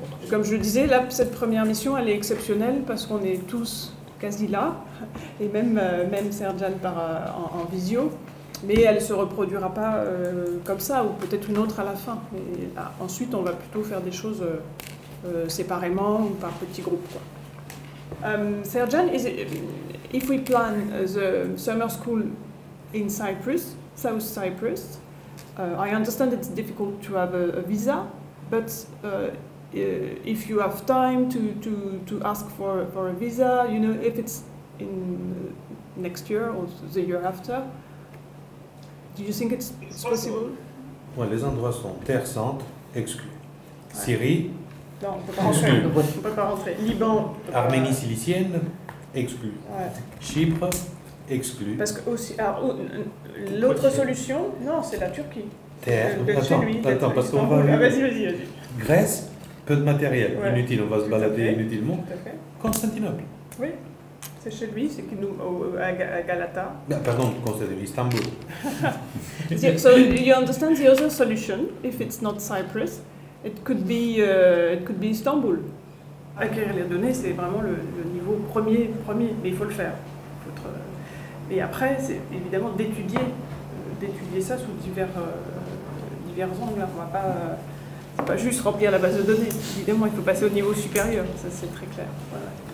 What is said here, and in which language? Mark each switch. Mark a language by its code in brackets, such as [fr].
[fr] Comme je le disais, là, cette première mission, elle est exceptionnelle parce qu'on est tous quasi là, et même Serjan en visio. Mais elle ne se reproduira pas comme ça, ou peut-être une autre à la fin. Et là, ensuite, on va plutôt faire des choses séparément ou par petits groupes. [en] Serjan, if we plan the summer school in Cyprus, South Cyprus, I understand it's difficult to have a visa, but if you have time to ask for a visa, you know, if it's in next year or the year after. Do you think it's possible? [fr] Ouais, les endroits sont Terre Sainte, exclus. Ouais. Syrie, non, on ne peut pas rentrer. Liban, Arménie cilicienne, exclu. Ouais. Chypre, exclu. Parce que aussi, l'autre solution, non, c'est la Turquie. Terre, attends, parce qu'on va. Ah, vas-y. Grèce, peu de matériel, ouais. Inutile, on va se balader inutilement. Constantinople. Oui. C'est chez lui, c'est qui nous à Galata. Pardon, Constantinople, Istanbul. [en] So you understand the other solution? If it's not Cyprus, it could be Istanbul. [fr] Acquérir les données, c'est vraiment le niveau premier, mais il faut le faire. Et après, c'est évidemment d'étudier ça sous divers angles. On va pas, c'est pas juste remplir la base de données. Évidemment, il faut passer au niveau supérieur. Ça, c'est très clair. Voilà.